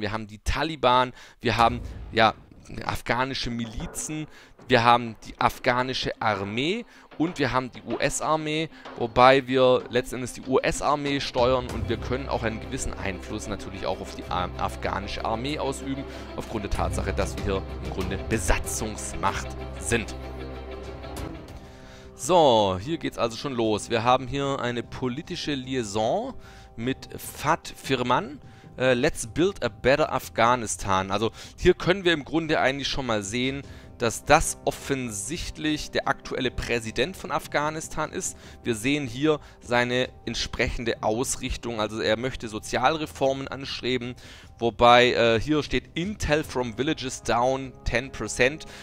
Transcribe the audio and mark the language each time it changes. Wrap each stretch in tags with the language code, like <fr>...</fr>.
<de>Wir haben die Taliban, wir haben ja afghanische Milizen, wir haben die afghanische Armee und wir haben die US-Armee, wobei wir letzten Endes die US-Armee steuern und wir können auch einen gewissen Einfluss natürlich auch auf die afghanische Armee ausüben, aufgrund der Tatsache, dass wir hier im Grunde Besatzungsmacht sind. So, hier geht's also schon los. Wir haben hier eine politische Liaison mit Fat Firman.</de> <en>Let's build a better Afghanistan.</en> <de>Also hier können wir im Grunde eigentlich schon mal sehen, dass das offensichtlich der aktuelle Präsident von Afghanistan ist. Wir sehen hier seine entsprechende Ausrichtung. Also er möchte Sozialreformen anstreben. Wobei hier steht</de> <en>Intel from Villages down 10%.</en>